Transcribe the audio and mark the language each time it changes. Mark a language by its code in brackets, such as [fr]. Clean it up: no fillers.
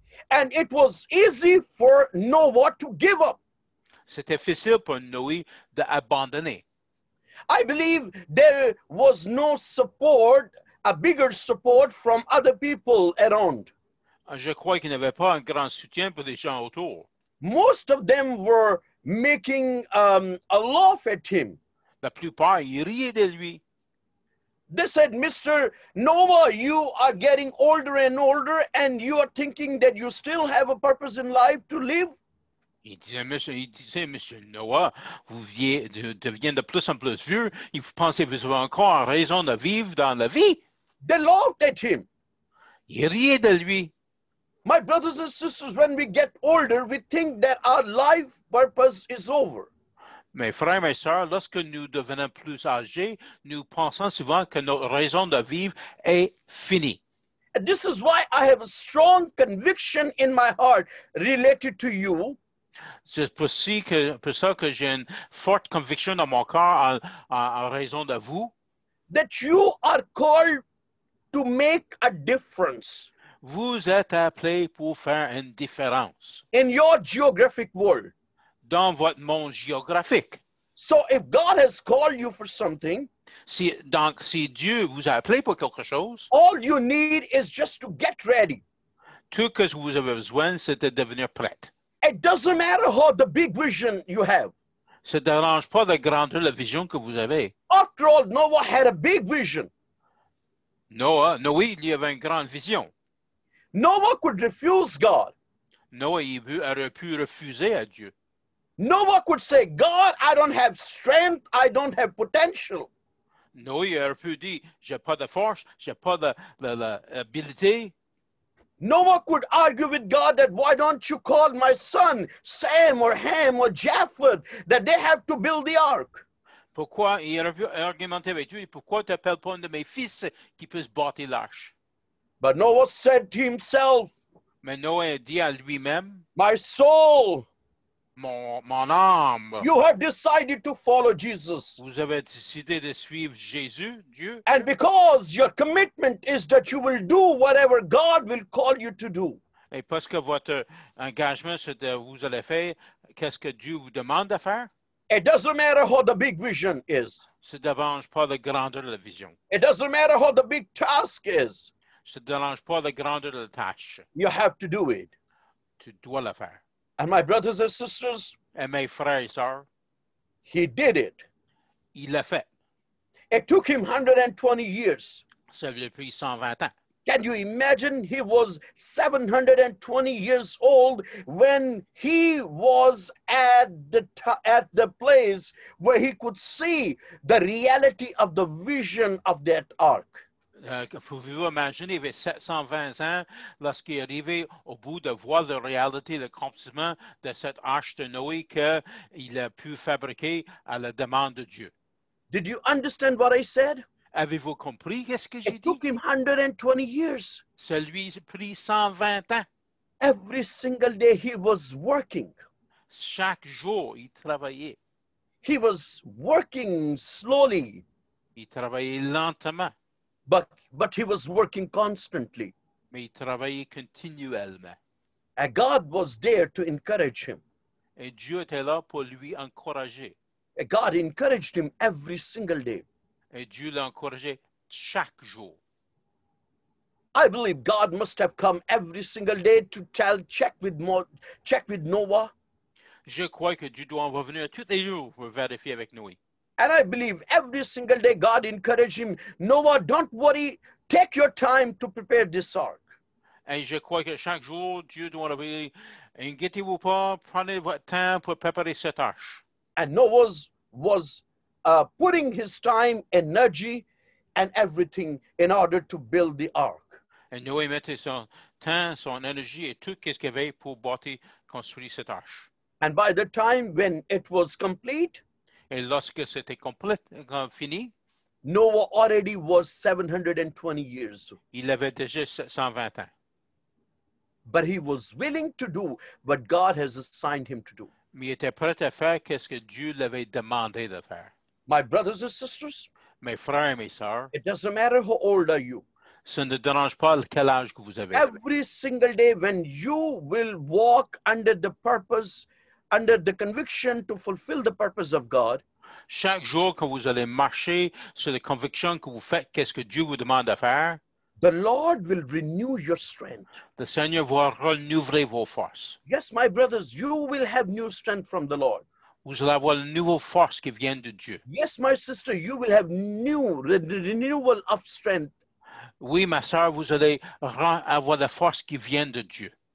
[en] And it was easy for Noah to give up. [fr] C'était facile pour Noé d'abandonner. [en] I believe there was no support, a bigger support from other people around. [fr] Je crois qu'il n'y avait pas un grand soutien pour les gens autour. [en] Most of them were making a laugh at him. [fr] La plupart, ils riaient de lui. [en] They said, Mr. Noah, you are getting older and older and you are thinking that you still have a purpose in life to live. [fr] Il disait, Monsieur Noah, vous deviendrez de plus en plus vieux et vous pensez que vous avez encore raison de vivre dans la vie. [en] They laughed at him. [fr] Ils riaient de lui. [en] My brothers and sisters, when we get older, we think that our life purpose is over. [fr] Mes frères et mes sœurs, lorsque nous devenons plus âgés, nous pensons souvent que notre raison de vivre est finie. [en] This is why I have a strong conviction in my heart related to you. [fr] C'est pour ça que j'ai une forte conviction dans mon corps en raison de vous. [en] That you are called to make a difference. [fr] Vous êtes appelé pour faire une différence. [en] In your geographic world. [fr] Dans votre monde géographique. [en] So if God has called you for something, [fr] si Dieu vous a appelé pour quelque chose, [en] all you need is just to get ready. [fr] Tout ce que vous avez besoin, c'est de devenir prêt. [en] It doesn't matter how the big vision you have. [fr] Ça ne dérange pas la grandeur de la vision que vous avez. [en] After all, Noah had a big vision. [fr] Noé, il y avait une grande vision. [en] Noah could refuse God. [fr] Noah, il aurait pu refuser à Dieu. [en] Noah could say, God, I don't have strength, I don't have potential. [fr] Noé, il aurait pu dire, j'ai pas de force, j'ai pas l'habilité. [en] Noah could argue with God that why don't you call my son, Sam or Ham or Japheth, that they have to build the ark. [fr] Pourquoi il aurait pu argumenter avec Dieu, pourquoi tu appelles pas un de mes fils qui puisse bâtir l'arche? [en] But Noah said to himself, [fr] mais Noé dit à lui-même, [en] my soul, [fr] mon âme. [en] You have decided to follow Jesus. [fr] Vous avez décidé de suivre Jésus, Dieu. [en] And because your commitment is that you will do whatever God will call you to do. [fr] Et parce que votre engagement, c'est de vous allez faire, qu'est-ce que Dieu vous demande de faire? [en] It doesn't matter how the big vision is. [fr] Ça ne dérange pas la grandeur de la vision. [en] It doesn't matter how the big task is. [fr] Ça ne dérange pas la grandeur de la tâche. [en] You have to do it. [fr] Tu dois le faire. [en] And my brothers and sisters. [fr] Et mes frères et sœurs. [en] He did it. [fr] Il l'a fait. [en] It took him 120 years. [fr] Ça lui a pris 120 ans. [en] Can you imagine he was 720 years old when he was at the place where he could see the reality of the vision of that ark? [fr] Pouvez-vous imaginer, il avait 720 ans lorsqu'il est arrivé au bout de voir la réalité, l'accomplissement de cette arche de Noé qu'il a pu fabriquer à la demande de Dieu? [en] Did you understand what I said? [fr] Avez-vous compris qu'est-ce que j'ai dit? [en] It took him 120 years. [fr] Ça lui a pris 120 ans. [en] Every single day he was working. [fr] Chaque jour, il travaillait. [en] He was working slowly. [fr] Il travaillait lentement. [en] But he was working constantly. [fr] Mais il travaillait continuellement. [en] And God was there to encourage him. [fr] Et Dieu était là pour lui encourager. [en] And God encouraged him every single day. [fr] Et Dieu l'a encouragé chaque jour. [en] I believe God must have come every single day to tell, check with Noah. [fr] Je crois que Dieu doit revenir tous les jours pour vérifier avec Noé. [en] And I believe every single day God encouraged him, Noah, don't worry, take your time to prepare this ark. [fr] Et je crois que chaque jour, Dieu doit revenir, inquiétez-vous pas, prenez votre temps pour préparer cette arche. [en] And Noah was putting his time, energy, and everything in order to build the ark. [fr] Et Noé mettait son temps, son énergie et tout ce qu'il avait pour bâtir, construire cette arche. [en] And by the time when it was complete, [fr] et lorsque c'était complet, fini, [en] Noah already was 720 years old. [fr] Il avait déjà 120 ans. [en] But he was willing to do what God has assigned him to do. [fr] Mais il était prêt à faire ce que Dieu l'avait demandé de faire. [en] My brothers and sisters, [fr] mes frères et mes sœurs, [en] it doesn't matter how old are you. [fr] Ça ne dérange pas quel âge que vous avez. [en] Every single day when you will walk under the purpose, under the conviction to fulfill the purpose of God. [fr] Chaque jour que vous allez marcher sur la conviction que vous faites, qu'est-ce que Dieu vous demande à faire? [en] The Lord will renew your strength. [fr] Le Seigneur va renouveler vos forces. [en] Yes, my brothers, you will have new strength from the Lord. [fr] Vous allez avoir une nouvelle force qui vient de Dieu. [en] Yes, my sister, you will have new renewal of strength. [fr] Oui, ma sœur, vous allez avoir la force qui vient de Dieu.